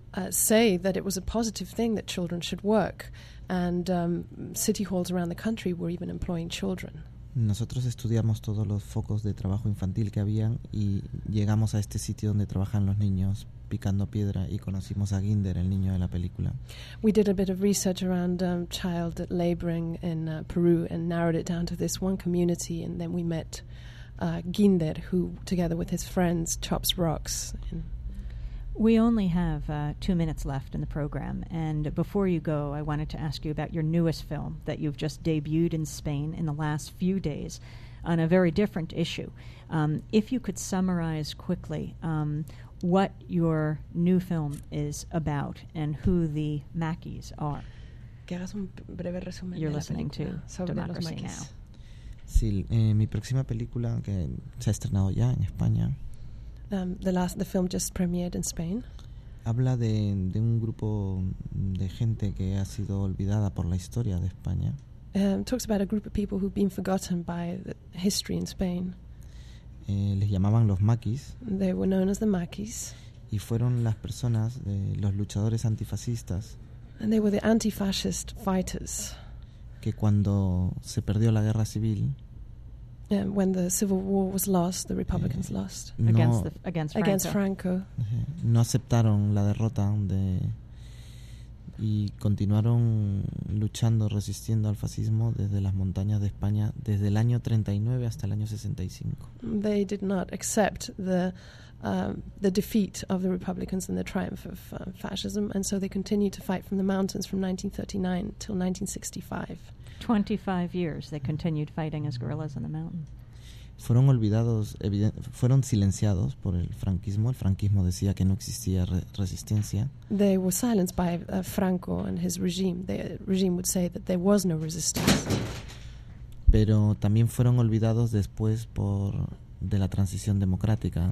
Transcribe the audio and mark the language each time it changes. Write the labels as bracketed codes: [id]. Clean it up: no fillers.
[en] say that it was a positive thing that children should work, and city halls around the country were even employing children. [es] Nosotros estudiamos todos los focos de trabajo infantil que habían y llegamos a este sitio donde trabajan los niños picando piedra y conocimos a Ginder, el niño de la película. [en] We did a bit of research around child laboring in Peru and narrowed it down to this one community, and then we met Ginder, who together with his friends chops rocks. We only have 2 minutes left in the program, and before you go, I wanted to ask you about your newest film that you've just debuted in Spain in the last few days on a very different issue. If you could summarize quickly what your new film is about and who the Mackies are. [es] Que hagas un breve resumen. [en] You're [es] de [en] listening [es] la película [en] to Democracy Now. [es] Sí, mi próxima película, que se ha estrenado ya en España. [en] The film just premiered in Spain. [es] Habla de un grupo de gente que ha sido olvidada por la historia de España. [en] Talks about a group of people who've been forgotten by the history in Spain. [es] Les llamaban los Mackies. [en] They were known as the Mackies. [es] Y fueron las personas, los luchadores antifascistas. [en] And they were the anti-fascist fighters. [es] Que cuando se perdió la guerra civil. [en] Yeah, when the Civil War was lost, the Republicans lost. Against Franco. [es] No aceptaron la derrota y continuaron luchando, resistiendo al fascismo desde las montañas de España, desde el año 39 hasta el año 65. [en] They did not accept the defeat of the Republicans and the triumph of fascism, and so they continued to fight from the mountains from 1939 till 1965. 25 years they continued fighting as guerrillas in the mountain. [es] Fueron olvidados, fueron silenciados por el franquismo. El franquismo decía que no existía resistencia. [en] They were silenced by Franco and his regime. The regime would say that there was no resistance. [es] Pero también fueron olvidados después de la transición democrática.